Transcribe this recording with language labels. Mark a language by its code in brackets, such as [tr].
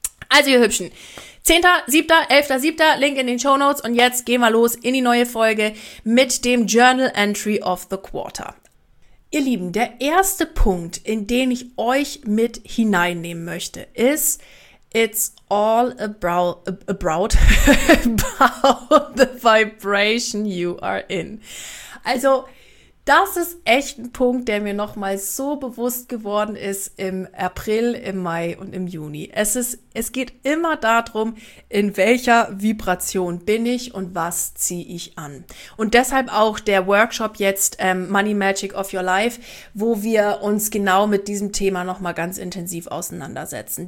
[de] Also ihr Hübschen, 10.7., 11.7., Link in den Shownotes und jetzt gehen wir los in die neue Folge mit dem [en] Journal Entry of the Quarter. [de] Ihr Lieben, der erste Punkt, in den ich euch mit hineinnehmen möchte, ist, it's [en] all about the vibration you are in. [de] Also, das ist echt ein Punkt, der mir nochmal so bewusst geworden ist im April, im Mai und im Juni. Es geht immer darum, in welcher Vibration bin ich und was ziehe ich an. Und deshalb auch der Workshop jetzt, Money Magic of Your Life, wo wir uns genau mit diesem Thema nochmal ganz intensiv auseinandersetzen.